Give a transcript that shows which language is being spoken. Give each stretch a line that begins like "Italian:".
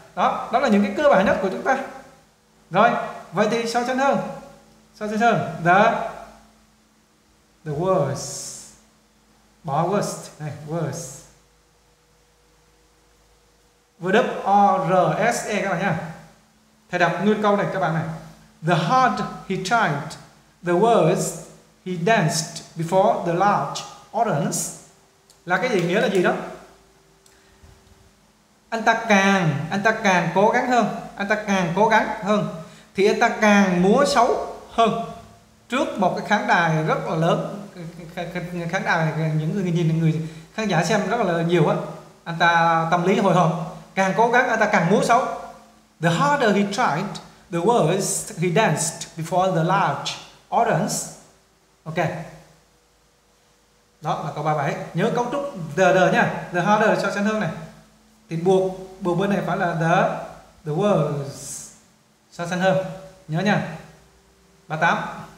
Vietnamese: Đó, đó là những cái cơ bản nhất của chúng ta. Rồi, vậy thì so sánh hơn. So sánh hơn, the worst, bỏ worst này, worst, worse các bạn nha. Thầy đọc nguyên câu này các bạn này.
English: The hard he tried, the worse he danced before the large audience.
Vietnamese: Là cái gì, nghĩa là gì đó? Anh ta càng cố gắng hơn, anh ta càng cố gắng hơn thì anh ta càng múa xấu hơn trước một cái khán đài rất là lớn, khán đài những người nhìn người khán giả xem rất là nhiều á, anh ta tâm lý hồi hộp, càng cố gắng anh ta càng múa xấu.
English: The harder he tried, the worse he danced before the large audience.
Vietnamese: Ok, đó là câu 37. Nhớ cấu trúc the nha, the harder cho sân hơn này, thì buộc bên này phải là the worse cho sân hơn, nhớ nha. 38.